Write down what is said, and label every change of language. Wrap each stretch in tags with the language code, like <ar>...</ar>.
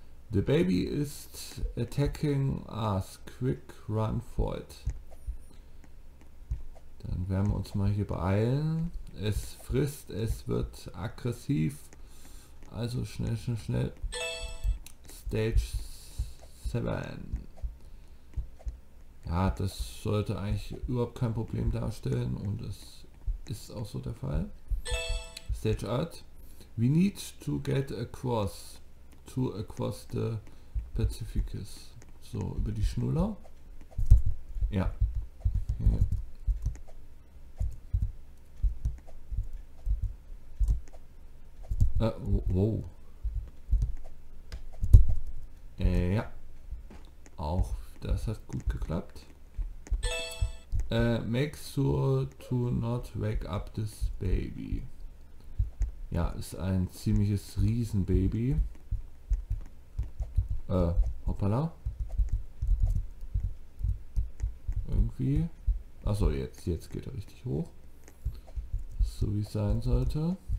<en>The baby is attacking us. Quick run for it.</en> <de>Dann werden wir uns mal hier beeilen. Es frisst, es wird aggressiv. Also schnell, schnell, schnell. Stage 7. Ja, das sollte eigentlich überhaupt kein Problem darstellen. Und es ist auch so der Fall. Stage 8.</de> <en>We need to get across the Pacificus.</en> <de>So, über die Schnuller. Ja. Okay. Wow. Ja. Auch das hat gut geklappt.</de> <en>Make sure to not wake up this baby.</en> <de>Ja, ist ein ziemliches Riesenbaby. Hoppala. Irgendwie. Achso, jetzt geht er richtig hoch. So wie es sein sollte.</de>